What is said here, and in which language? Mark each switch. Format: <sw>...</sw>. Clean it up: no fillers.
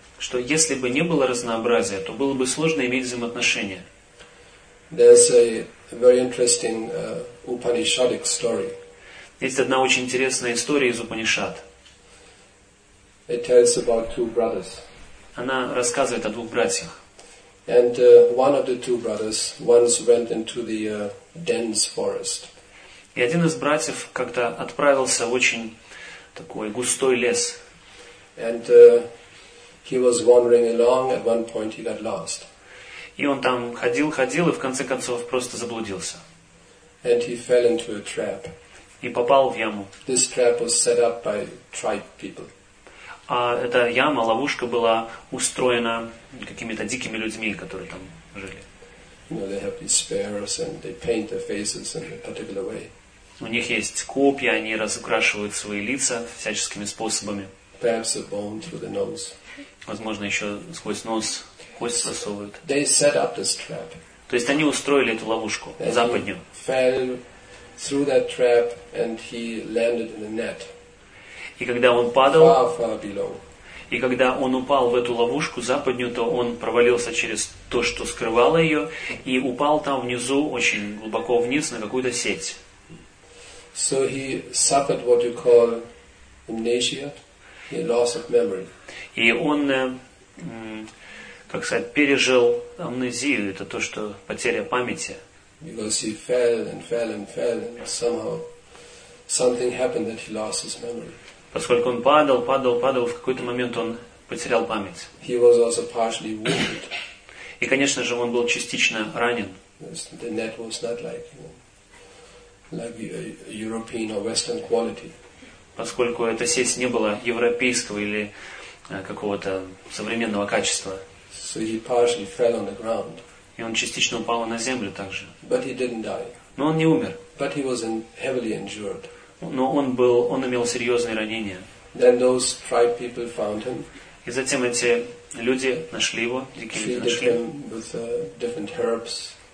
<ru>Что если бы не было разнообразия, то было бы сложно иметь взаимоотношения.</ru> <en>There's a very interesting Upanishadic story.</en> <ru>Есть одна очень интересная история из Упанишад.</ru> <en>It tells about two brothers.</en> <ru>Она рассказывает о двух братьях.</ru> <en>And one of the two brothers once went into the dense forest.</en> <ru>И один из братьев как-то отправился в очень такой густой лес.</ru> <en>And he was wandering along. At one point he got lost.</en> <ru>И он там ходил, и в конце концов просто заблудился.</ru> <en>And he fell into a trap.</en> <ru>И попал в яму.</ru> <en>This trap was set up by tribe people.</en> <ru>А эта яма, ловушка была устроена какими-то дикими людьми, которые там жили.</ru> <en>You know, they have these spears and they paint their faces in a particular way.</en> <ru>У них есть копья, они разукрашивают свои лица всяческими способами.</ru> <en>Perhaps a bone through the nose.</en> <ru>Возможно, еще сквозь нос кость засовывают.</ru> <en>They set up this trap.</en> <ru>То есть они устроили эту ловушку западню.</ru> <en>Fell through that trap and he landed in a net.</en> <ru>И когда он падал,</ru> <en>far</en> <ru>и когда он упал в эту ловушку западню, то он провалился через то, что скрывало ее, и упал там внизу, очень глубоко вниз, на какую-то сеть.</ru> <en>So he suffered what you call amnesia, a loss of memory.</en> <ru>И он, как сказать, пережил амнезию, это то, что потеря памяти.</ru> <en>Because he fell and fell and fell, and somehow something happened that he lost his memory.</en> <ru>Поскольку он падал, в какой-то момент он потерял память.</ru> <en>He was also partially wounded.</en> <ru>И, конечно же, он был частично ранен.</ru> <en>The net was not like, you know, like a European or Western quality.</en> <ru>Поскольку эта сеть не была европейского или какого-то современного качества.</ru> <en>So he partially fell on the ground.</en> <ru>И он частично упал на землю также.</ru> <en>But he didn't die.</en> <ru>Но он не умер.</ru> <en>But he was heavily injured.</en> <ru>Но он имел серьезные ранения.</ru> <en>Then those tribe people found him.</en> <ru>И затем эти люди нашли его, дикие люди нашли.</ru> <en>Treated him with different herbs.</en>